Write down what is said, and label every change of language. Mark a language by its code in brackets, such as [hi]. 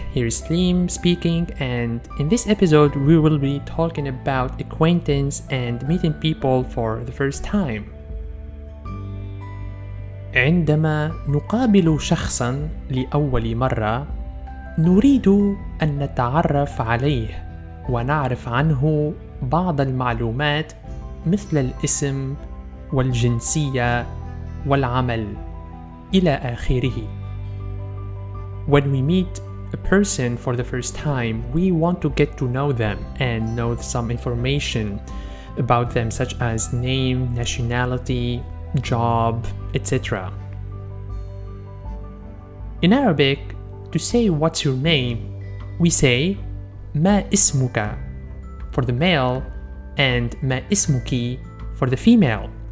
[en] Here is Slim speaking, and in this episode we will be talking about acquaintance and meeting people for the first time. [ar] عندما نقابل شخصا لأول مرة نريد أن نتعرف عليه ونعرف عنه بعض المعلومات مثل الاسم والجنسية والعمل إلى آخره. [en] When we meet a person for the first time, we want to get to know them and know some information about them, such as name, nationality, job, etc. In Arabic, to say what's your name, we say [ar] ما اسمك [en] for the male and ما اسمك for the female.